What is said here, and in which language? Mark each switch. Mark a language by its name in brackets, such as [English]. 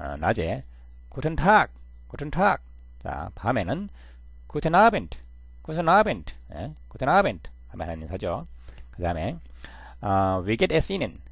[Korean] 낮에 [German] Guten Tag, Guten Tag. [Korean] 자, 밤에는 [German] Guten Abend, Guten Abend. Guten Abend [Korean] 하면 하는 인사죠. 그 다음에 [German] wie geht es Ihnen?